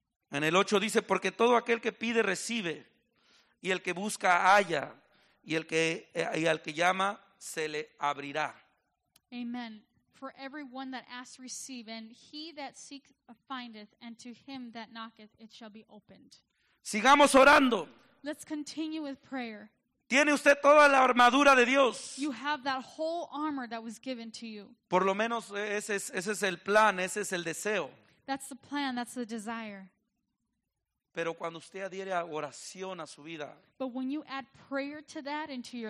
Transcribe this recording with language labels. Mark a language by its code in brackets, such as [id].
[es] En el 8 dice, porque todo aquel que pide recibe, y el que busca halla, y al que llama se le abrirá. Amen. [en] For everyone that asks, receive, and he that seeks, findeth, and to him that knocketh, it shall be opened. [es] Sigamos orando. [en] Let's continue with prayer. [es] Tiene usted toda la armadura de Dios. [en] You have that whole armor that was given to you. [es] Por lo menos ese es el plan, ese es el deseo. [en] That's the plan, that's the desire. [es] Pero cuando usted adhiere a oración a su vida. [en] But when you add prayer to that into your